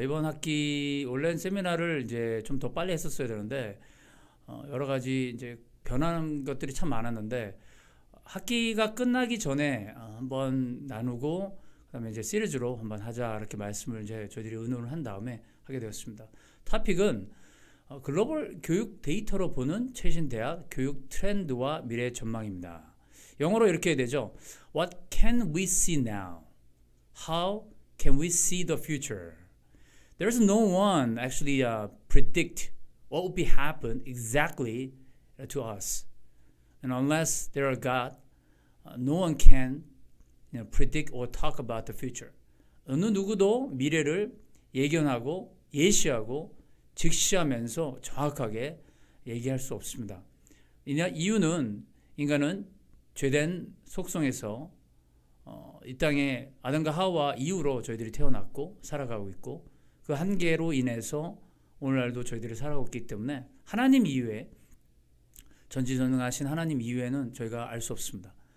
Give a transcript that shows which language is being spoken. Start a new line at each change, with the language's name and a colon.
Korean: 이번 학기 온라인 세미나를 이제 좀 더 빨리 했었어야 되는데 여러 가지 이제 변하는 것들이 참 많았는데 학기가 끝나기 전에 한번 나누고 그다음에 이제 시리즈로 한번 하자 이렇게 말씀을 이제 저희들이 의논을 한 다음에 하게 되었습니다. 토픽은 글로벌 교육 데이터로 보는 최신 대학 교육 트렌드와 미래 전망입니다. 영어로 이렇게 해야 되죠.
English: What can we see now? How can we see the future? There's no one actually predict what will be happen exactly to us. And unless there are God, no one can predict or talk about the future.
Korean: 어느 누구도 미래를 예견하고 예시하고 직시하면서 정확하게 얘기할 수 없습니다. 이유는 인간은 죄된 속성에서 이 땅에 아담과 하와 이후로 저희들이 태어났고 살아가고 있고 그 한계로 인해서 오늘날도 저희들이 살아가고 있기 때문에 하나님 이외에 전지전능하신 하나님 이외에는 저희가 알 수 없습니다.